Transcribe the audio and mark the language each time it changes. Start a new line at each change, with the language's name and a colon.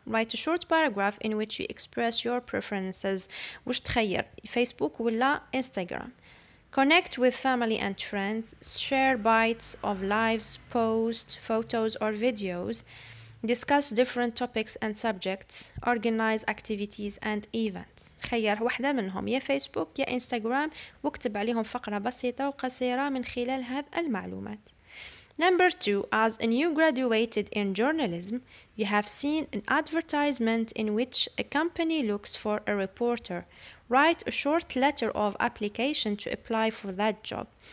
English: Write a short paragraph in which you express your preferences.
Arabic: واش تخير Facebook ولا Instagram?
English: Connect with family and friends, share bites of lives, post photos or videos, discuss different topics and subjects, organize activities and events.
Arabic: خير واحدة منهم يا فيسبوك يا انستغرام واكتب عليهم فقرة بسيطة وقصيرة من خلال هذه المعلومات.
English: Number 2. As a new graduate in journalism, you have seen an advertisement in which a company looks for a reporter. Write a short letter of application to apply for that job.